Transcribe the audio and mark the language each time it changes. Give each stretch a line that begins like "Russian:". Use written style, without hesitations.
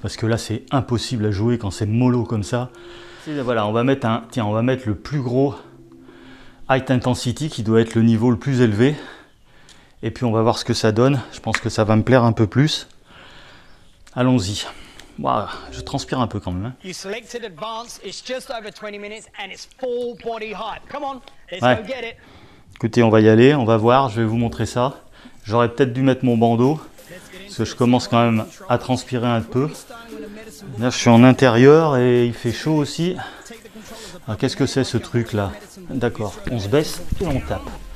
French: Parce que là, c'est impossible à jouer quand c'est mollo comme ça. Voilà, on va mettre le plus gros High Intensity qui doit être le niveau le plus élevé. Et puis on va voir ce que ça donne. Je pense que ça va me plaire un peu plus. Allons-y. Wow, je transpire un peu quand même.
English: You selected advance, it's just over 20 minutes and it's full body hype. Come on, let's ouais. Go get it.
French: Écoutez, on va y aller, on va voir, je vais vous montrer ça. J'aurais peut-être dû mettre mon bandeau. Parce que je commence quand même à transpirer un peu. Là, je suis en intérieur et il fait chaud aussi. Alors, qu'est-ce que c'est ce truc-là? D'accord, on se baisse et on tape.